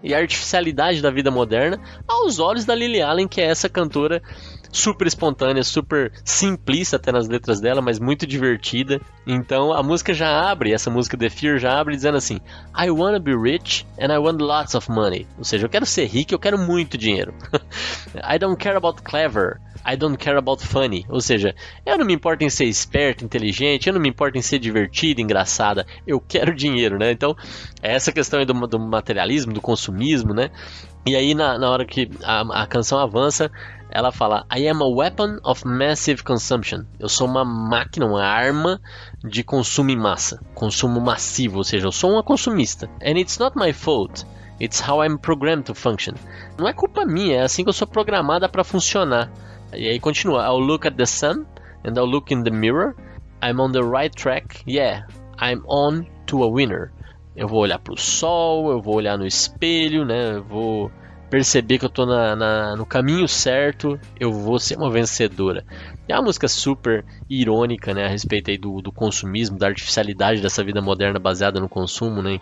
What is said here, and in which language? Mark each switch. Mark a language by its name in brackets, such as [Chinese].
[Portuguese] E artificialidade da vida moderna, aos olhos da Lily Allen, que é essa cantora super espontânea, super simplista até nas letras dela, mas muito divertida. Então a música já abre, essa música The Fear já abre dizendo assim: [English] I wanna be rich and I want lots of money. [Portuguese] Ou seja, eu quero ser rico, eu quero muito dinheiro. [English] I don't care about clever, I don't care about funny. [Portuguese] Ou seja, eu não me importo em ser esperto, inteligente, eu não me importo em ser divertida, engraçada, eu quero dinheiro, né? Então é essa questão aí do materialismo, do consumismo, né? E aí na hora que a canção avança, ela fala: [English] I am a weapon of massive consumption. [Portuguese] Eu sou uma máquina, uma arma de consumo em massa, consumo massivo, ou seja, eu sou uma consumista. [English] And it's not my fault, it's how I'm programmed to function. [Portuguese] Não é culpa minha, é assim que eu sou programada para funcionar. E aí continua: [English] I'll look at the sun and I'll look in the mirror. I'm on the right track, yeah, I'm on to a winner. [Portuguese] Eu vou olhar pro sol, eu vou olhar no espelho, né? Eu vou perceber que eu tô no caminho certo, eu vou ser uma vencedora. É uma música super irônica, né? A respeito aí do consumismo, da artificialidade dessa vida moderna baseada no consumo, né?